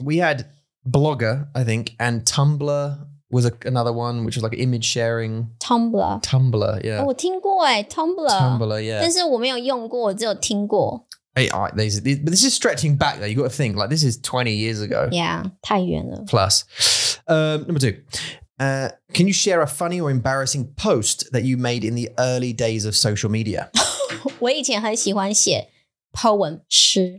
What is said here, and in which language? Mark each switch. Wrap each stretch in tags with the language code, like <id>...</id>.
<en>We had Blogger, I think, and Tumblr was another one, which was like image sharing. Tumblr, yeah.</en> <zh>Oh, 我听过诶, Tumblr.</zh> <en>Tumblr, yeah.</en> <zh>但是我没有用过，我只有听过。</zh> <en>Hey, this is stretching back though. You've got to think, like, this is 20 years ago.</en> <zh>Yeah, 太远了.</zh> <en>Plus. Number two. Can you share a funny or embarrassing post that you made in the early days of social media?</en> <zh>我以前很喜欢写 poem诗。</zh>